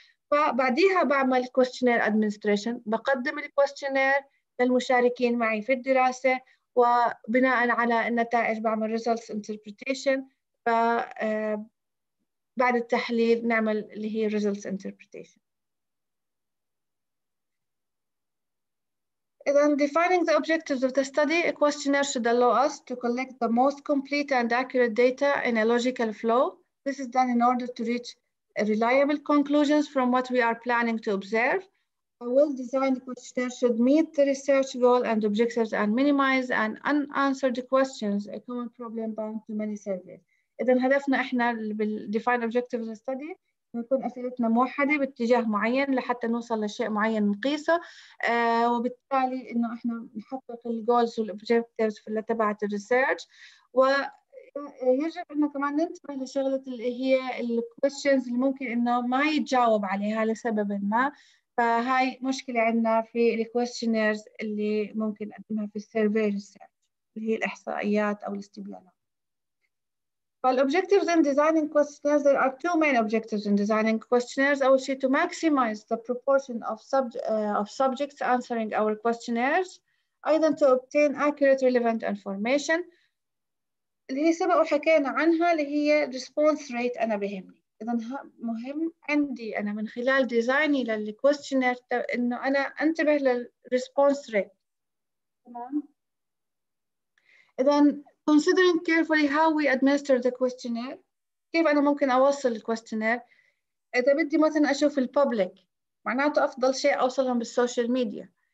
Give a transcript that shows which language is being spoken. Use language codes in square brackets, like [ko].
[ar] فبعديها بعمل [en] questionnaire administration [ar] بقدم الكويستيونير للمشاركين معي في الدراسة وبناء على النتائج بعمل [en] results interpretation [ar] بعد التحليل نعمل اللي هي results interpretation. [en] Then defining the objectives of the study, a questionnaire should allow us to collect the most complete and accurate data in a logical flow. This is done in order to reach reliable conclusions from what we are planning to observe. A well-designed questionnaire should meet the research goal and objectives and minimize and unanswered questions, a common problem bound to many surveys. [ar] إذن هدفنا إحنا بال [en] define objective of the study [ar] يكون أسئلتنا موحدة باتجاه معين لحتى نوصل لشيء معين نقيسه وبالتالي إنه إحنا نحقق الgoals والobjectives في تبع الresearch ويجب إنه كمان ننتبه لشغلة اللي هي الquestions اللي ممكن إنه ما يتجاوب عليها لسبب ما فهاي مشكلة عندنا في الquestionnaires اللي ممكن نقدمها في [en] survey research [ar] اللي هي الإحصائيات أو الاستبيانات. [en] Well, objectives in designing questionnaires, there are two main objectives in designing questionnaires. I would say to maximize the proportion of subjects answering our questionnaires, either to obtain accurate, relevant information. [ar] اللي هي سبق وحكينا عنها اللي هي [en] response rate [ar] أنا بهمني. إذا مهم عندي أنا من خلال ديزايني للquestionnaire إنه أنا أنتبه لل [en] response rate. [ar] تمام؟ إذا [en] considering carefully how we administer the questionnaire, [ar] كيف أنا ممكن أوصل الquestionnaire؟ إذا بدي مثلا أشوف الpublic معناته أفضل شيء أوصلهم بالسوشيال ميديا.